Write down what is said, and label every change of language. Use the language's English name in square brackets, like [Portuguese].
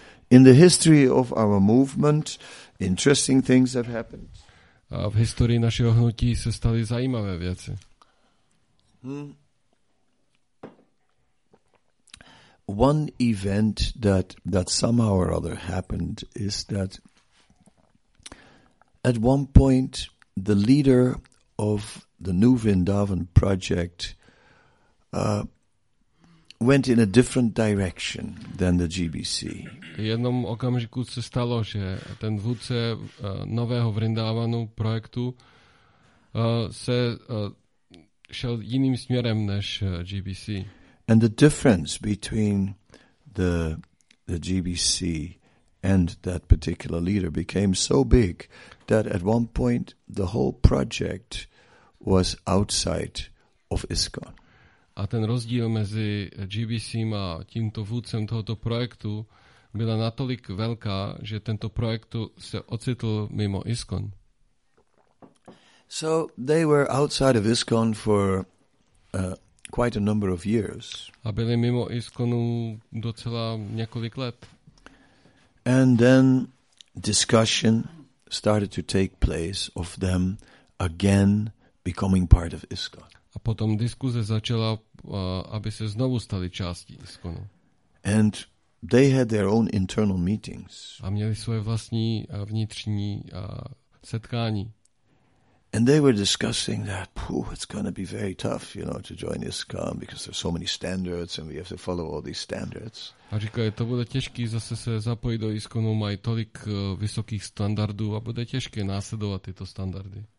[English] In the history of our movement, interesting things have happened. [Czech] A v historii našeho hnutí se staly zajímavé věci. [English] One event that somehow or other happened is that at one point the leader of the new Vrindavan project went in a different direction than the GBC. [Czech] V jednom okamžiku se stalo, že ten vůdce nového Vrindavanu projektu se šel jiným směrem než GBC. [English] And the difference between the GBC and that particular leader became so big that at one point the whole project was outside of ISKCON. [Czech] A ten rozdíl mezi GBC a tímto vůdcem tohoto projektu byla natolik velká, že tento projekt se ocitl mimo ISKCON. [English] So they were outside of ISKCON for quite a number of years. [Czech] A byli mimo ISKCONu docela několik let. [English] And then discussion started to take place of them again becoming part of ISKCON. [Czech] A potom diskuze začala, aby se znovu stali částí ISKCONu. [English] And they had their own internal meetings. [Czech] A měli svoje vlastní vnitřní setkání. [English] And they were discussing that, it's going to be very tough, you know, to join ISKCON because there's so many standards and we have to follow all these standards. [Czech] A říkali, to bude těžké zase se zapojit do ISKCONu, mají tolik vysokých standardů a bude těžké následovat tyto standardy.